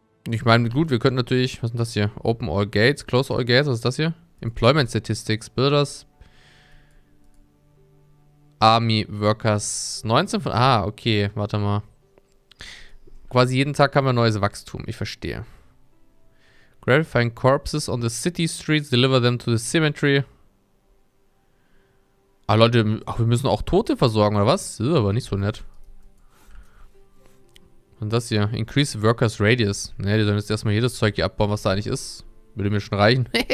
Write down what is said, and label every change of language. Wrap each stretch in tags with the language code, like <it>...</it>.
<de>Ich meine, gut, wir könnten natürlich, was ist das hier?</de> <en>Open all gates, close all gates,</en> <de>was ist das hier?</de> <en>Employment Statistics, Builders, Army Workers,</en> <de>19 von, ah, okay, warte mal. Quasi jeden Tag haben wir neues Wachstum, ich verstehe.</de> <en>Gratifying corpses on the city streets, deliver them to the cemetery.</en> <de>Ah, Leute, ach, wir müssen auch Tote versorgen, oder was? Ist aber nicht so nett. Und das hier,</de> <en>Increase Workers Radius.</en> <de>Ne, die sollen jetzt erstmal jedes Zeug hier abbauen, was da eigentlich ist. Würde mir schon reichen.</de>